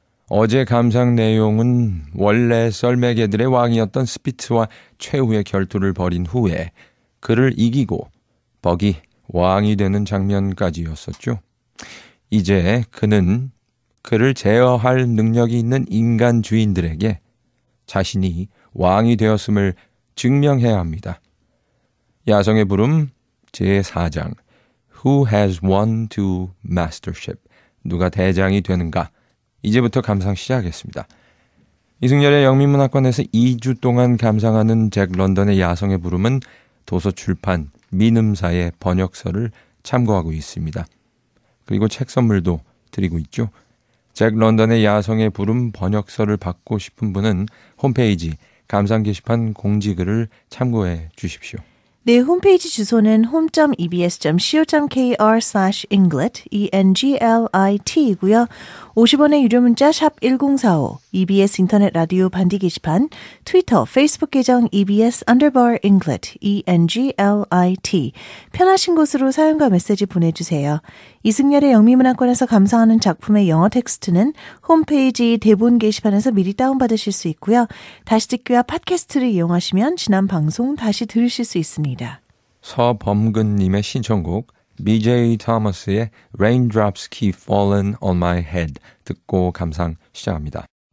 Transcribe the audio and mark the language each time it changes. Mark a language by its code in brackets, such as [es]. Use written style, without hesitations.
[ko] 어제 감상 내용은 원래 썰매개들의 왕이었던 스피츠와 최후의 결투를 벌인 후에 그를 이기고 버기 왕이 되는 장면까지였었죠. 이제 그는 그를 제어할 능력이 있는 인간 주인들에게 자신이 왕이 되었음을 증명해야 합니다. 야성의 부름 제4장 [en] Who has won to mastership? [ko] 누가 대장이 되는가? 이제부터 감상 시작하겠습니다. 이승열의 영미문학관에서 2주 동안 감상하는 잭 런던의 야성의 부름은 도서출판 민음사의 번역서를 참고하고 있습니다. 그리고 책 선물도 드리고 있죠. 잭 런던의 야성의 부름 번역서를 받고 싶은 분은 홈페이지 감상 게시판 공지글을 참고해 주십시오. 네, 홈페이지 주소는 home.ebs.co.kr/englit, englit이고요. 50원의 유료 문자 샵 1045, EBS 인터넷 라디오 반디 게시판, 트위터, 페이스북 계정 EBS underbar englit, englit. 편하신 곳으로 사연과 메시지 보내주세요. 이승열의 영미문학관에서 감상하는 작품의 영어 텍스트는 홈페이지 대본 게시판에서 미리 다운받으실 수 있고요. 다시 듣기와 팟캐스트를 이용하시면 지난 방송 다시 들으실 수 있습니다. 서범근님의 신청곡 BJ Thomas의 Raindrops Keep Falling on My Head 듣고 감상 시작합니다.